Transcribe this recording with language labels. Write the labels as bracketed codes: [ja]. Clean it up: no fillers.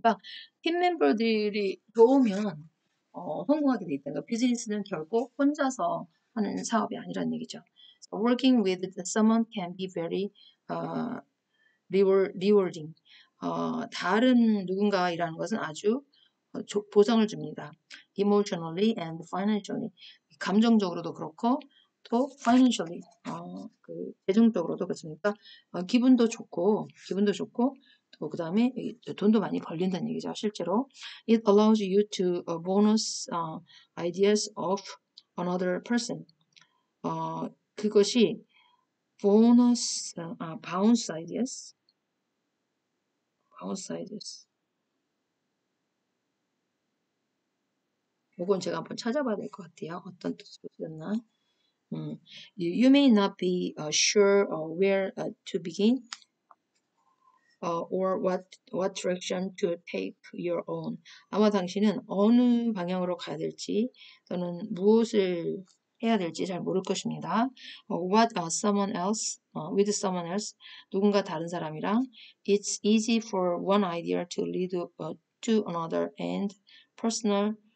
[ko] 그러니까 팀 멤버들이 좋으면 성공하게 돼 있다는 거. 비즈니스는 결코 혼자서 하는 사업이 아니라는 얘기죠. [en] So working with someone can be very rewarding. [ko] 다른 누군가와 일하는 것은 아주 보상을 줍니다. [en] Emotionally and financially. [ko] 감정적으로도 그렇고, 또 [en] financially. [ko] 재정적으로도 그렇습니까? 기분도 좋고, 또그 다음에 돈도 많이 벌린다는 얘기죠. 실제로. [en] It allows you to bonus ideas of another person. [ko] 그것이 [en] bonus, bounce ideas. Bounce ideas. [ko] 이건 제가 한번 찾아봐야 될것 같아요. 어떤 뜻이었나? [en] You may not be sure where to begin or what direction to take your own. [ko] 아마 당신은 어느 방향으로 가야 될지 또는 무엇을 해야 될지 잘 모를 것입니다. [en] With someone else, [ko] 누군가 다른 사람이랑 [en] It's easy for one idea to lead to another and personal